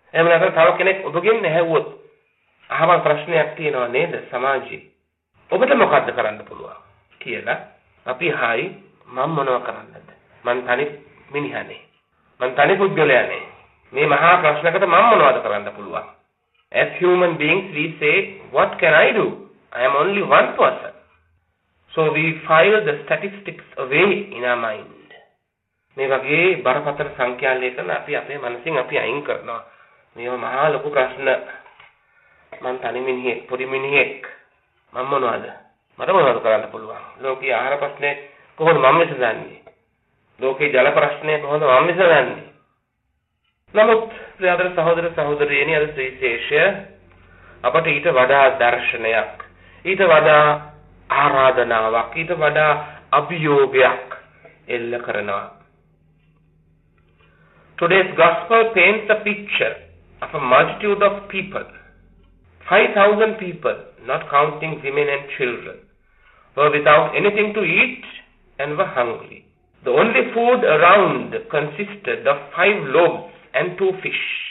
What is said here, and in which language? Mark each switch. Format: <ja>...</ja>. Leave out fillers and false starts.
<si>එහෙම නැත්නම් තව කෙනෙක් ඔබගෙන් ඇහැව්වොත් අහවල් ප්‍රශ්නයක් තියෙනවා නේද සමාජයේ, ඔබට මොකද්ද කරන්න පුළුවන් කියලා. අපි හයි මම මොනව කරන්නද, මං තනි මිනිහනේ, මං තනි පුද්ගලයානේ, මේ මහා ප්‍රශ්නකට මම මොනවද කරන්න පුළුවන්?</si> <en>As human beings we say what can I do, I am only one person. So we file the statistics away in our mind.</en> <si>මේ වගේ බරපතල සංඛ්‍යා ලේඛන අපි අපේ මනසින් අපි අයින් කරනවා. මේවා මහා ලොකු ප්‍රශ්න, මං තනි මිනිහෙක්, පොඩි මිනිහෙක්, මම මොනවද, මට මොනවද කරන්න පුළුවන්? ලෝකයේ ආහාර ප්‍රශ්නේ කොහොමද මම විසඳන්නේ? ලෝකයේ ජල ප්‍රශ්නේ කොහොමද මම විසඳන්නේ? නමුත් ප්‍රියදර සහෝදර සහෝදරියනි, අද සුවිශේෂය අපට ඊට වඩා දර්ශනයක්, ඊට වඩා ආරාධනාවක්, ඊට වඩා අභියෝගයක් එල්ල කරනවා.</si> <en>Today's gospel paints a picture of a multitude of people. 5,000 people, not counting women and children, were without anything to eat and were hungry. The only food around consisted of 5 loaves and 2 fish.</en>